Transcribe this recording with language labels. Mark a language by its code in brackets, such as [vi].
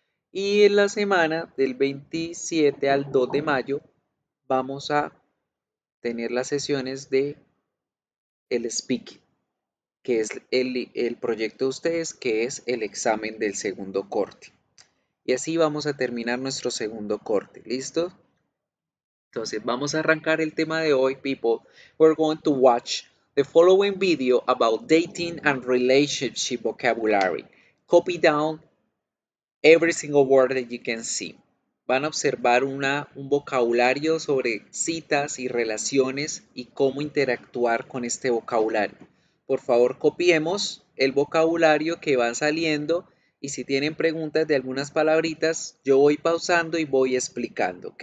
[es] Y en la semana del 27 al 2 de mayo vamos a tener las sesiones de el speaking, que es el proyecto de ustedes, que es el examen del segundo corte. Y así vamos a terminar nuestro segundo corte. ¿Listo? Entonces vamos a arrancar el tema de hoy, people. [en] We're going to watch the following video about dating and relationship vocabulary. Copy down every single word that you can see. [es] Van a observar un vocabulario sobre citas y relaciones y cómo interactuar con este vocabulario. Por favor, copiemos el vocabulario que van saliendo. Y si tienen preguntas de algunas palabritas, yo voy pausando y voy explicando, ¿ok?